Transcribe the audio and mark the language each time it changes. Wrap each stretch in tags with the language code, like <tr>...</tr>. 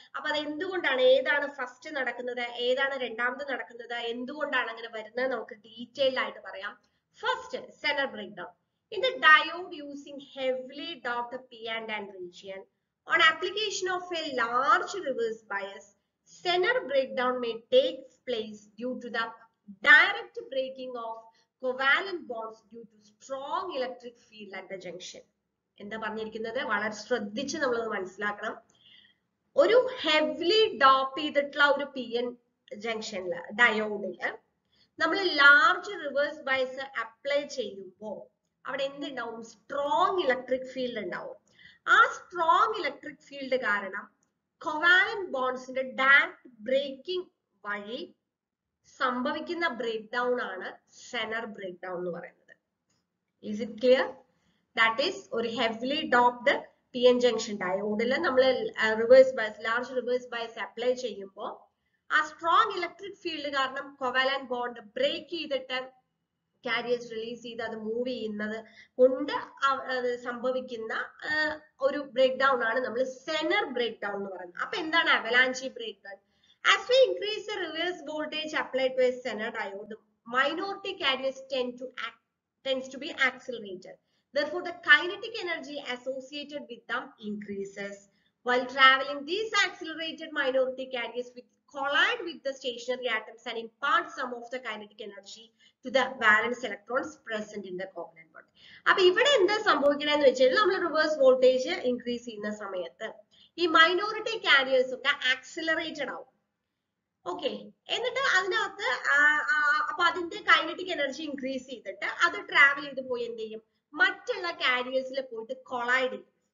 <ml>അപ്പൊ അത് എന്തുകൊണ്ടാണ്, ഏതാണ് ഫസ്റ്റ് നടക്കുന്നത്, ഏതാണ് രണ്ടാമത് നടക്കുന്നത്, എന്തുകൊണ്ടാണ് അങ്ങനെ വരുന്നത്, നമുക്ക് ഡീറ്റെയിൽഡ് ആയിട്ട് പറയാം.</ml> <en>First Zener breakdown in the diode using heavily doped P and N region on application of a large reverse bias. Zener breakdown may take place due to the direct breaking of covalent bonds due to strong electric field at the junction.</en> <ml>എന്താ പറഞ്ഞിരിക്കുന്നത്, വളരെ ശ്രദ്ധിച്ച് നമ്മൾ അത് മനസ്സിലാക്കണം. ഒരു heavily dope ചെയ്തിട്ടുള്ള ഒരു പി എൻ ജംഗ്ഷനിൽ ഡയോഡിൽ നമ്മൾ ലാർജ് റിവേഴ്സ് ബയസ് അപ്ലൈ ചെയ്യുമ്പോൾ അവിടെ എന്തുണ്ടാവും, സ്ട്രോങ് ഇലക്ട്രിക് ഫീൽഡ് ഉണ്ടാവും. ആ സ്ട്രോങ് ഇലക്ട്രിക് ഫീൽഡ് കാരണം കോവാലന്റ് ബോണ്ട്സിന്റെ ഡയറക്ട് ബ്രേക്കിംഗ് വഴി സംഭവിക്കുന്ന ബ്രേക്ക് ഡൗൺ ആണ് സെനർ ബ്രേക്ക് ഡൗൺ എന്ന് പറയുന്നത്.</ml> <en>Is it clear? That is</en> <ml>ഒരു heavily doped P N junction ഡയോഡിൽ നമ്മൾ reverse bias, large reverse bias apply ചെയ്യുമ്പോൾ ആ സ്ട്രോങ് ഇലക്ട്രിക് ഫീൽഡ് കാരണം കോവാലന്റ് ബോണ്ട് ബ്രേക്ക് ചെയ്തിട്ട് കാരിയേഴ്സ് റിലീസ് ചെയ്ത് അത് മൂവ് ചെയ്യുന്നത് കൊണ്ട് സംഭവിക്കുന്ന ഒരു ബ്രേക്ക് ഡൗൺ ആണ് നമ്മൾ സെനർ ബ്രേക്ക് ഡൗൺ എന്ന് പറയുന്നത്. അപ്പൊ എന്താണ് avalanche break down?</ml> <en>As we increase the reverse voltage applied to a Zener diode, minority carriers tends to be accelerated. Therefore, the kinetic energy associated with them increases. While traveling, these accelerated minority carriers collide with the stationary atoms and impart some of the kinetic energy to the valence electrons present in the covalent bond.</en> <ml>അപ്പോൾ ഇവിടെ എന്താ സംഭവിക്കണേ എന്ന് വെച്ചാൽ നമ്മൾ reverse voltage increase ചെയ്യുന്ന സമയത്ത് ഈ minority careers ഒക്കെ ആക്സിലറേറ്റഡ് ആവും. ഓക്കെ, എന്നിട്ട് അതിനകത്ത് അപ്പൊ അതിന്റെ കൈനറ്റിക് എനർജി ഇൻക്രീസ് ചെയ്തിട്ട് അത് ട്രാവൽ ചെയ്ത് പോയി എന്ത് ചെയ്യും, മറ്റുള്ള കാരിയേഴ്സിൽ പോയിട്ട് കൊളൈഡ് ചെയ്യും.</ml>